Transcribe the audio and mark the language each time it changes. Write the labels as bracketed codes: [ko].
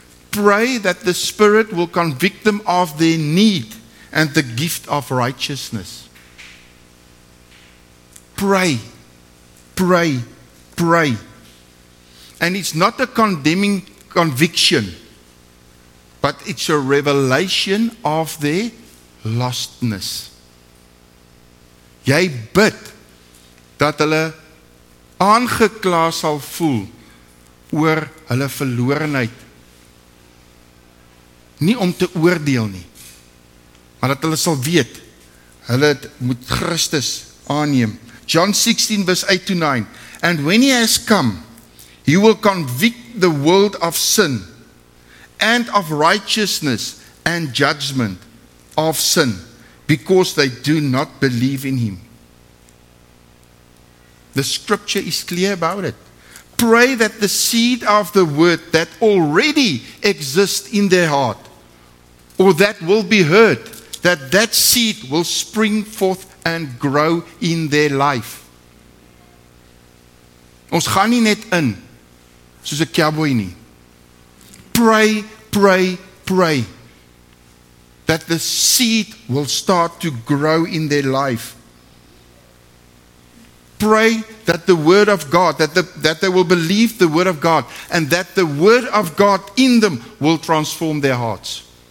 [en] Pray that the Spirit will convict them of their need and the gift of righteousness. Pray, pray, pray. And it's not a condemning conviction, but it's a revelation of their lostness. [af] Jy bid dat hulle aangekla sal voel oor hulle verlorenheid. Nie om te oordeel nie, maar dat hulle sal weet, hulle moet Christus aanneem. [en] John 16 verse 8 to 9, and when he has come, he will convict the world of sin, and of righteousness, and judgment of sin, because they do not believe in him. The scripture is clear about it. Pray that the seed of the word that already exists in their heart, or that will be heard, that that seed will spring forth and grow in their life. [af] Ons gaan nie net in, soos 'n cowboy nie. [en] Pray, pray, pray, that the seed will start to grow in their life. Pray that the word of God, that they will believe the word of God, and that the word of God in them will transform their hearts.